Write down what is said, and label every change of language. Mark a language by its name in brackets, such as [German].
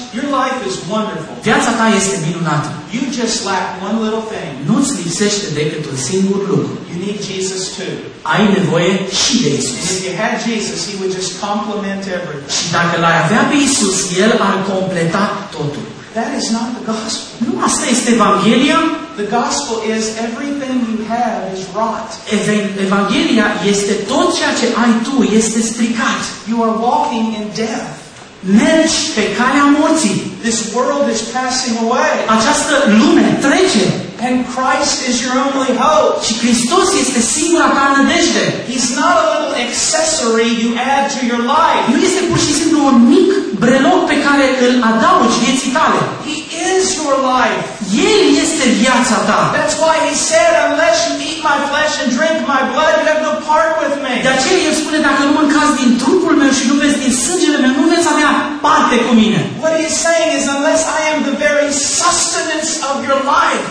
[English] Your life is wonderful. [Romanian] Viața ta este minunată. [English] You just lack one little thing. [Romanian] Nu-ți lipsește decât un singur lucru. [English] You need Jesus too. [Romanian] Ai nevoie și de Iisus. [English] If you had Jesus, He would just complement everything. [Romanian] Și dacă l-ai avea pe Iisus, El ar completa totul. [English] That is not the gospel. [Romanian] Nu asta este Evanghelia. [English] The gospel is everything you have is rot. [Romanian] Evanghelia este tot ceea ce ai tu este stricat. [English] You are walking in death. [Romanian] Mergi pe calea morții. [English] This world is passing away. [Romanian] Această lume trece. [English] And Christ is your only hope. [Romanian] Și Hristos este singura ta nădejde. [English] He's not a little accessory you add to your life. [Romanian] Nu este pur și simplu un mic breloc pe care îl adaugi vieții tale. [English] He is your life. [Romanian] El este viața ta. [English] That's why he said, unless you eat my flesh and drink my blood, you have no part with me. [Romanian] De aceea el spune, dacă nu mâncați din trupul meu și nu beți din sângele meu, nu veți avea parte cu mine. [English] What he's saying is, unless I am the very sustenance of your life.